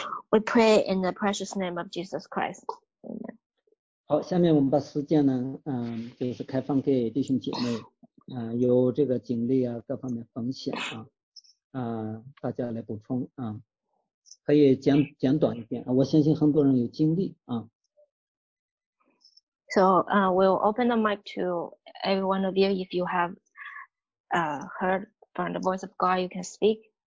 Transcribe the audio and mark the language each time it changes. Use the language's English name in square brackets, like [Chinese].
[English] We pray in the precious name of Jesus Christ. Amen. [Chinese] 好，下面我们把时间呢，就是开放给弟兄姐妹，有这个经历啊，各方面分享啊，大家来补充啊，可以简短一点啊，我相信很多人有经历啊。 [English] So, we'll open the mic to every one of you. If you have, heard from the voice of God, you can speak.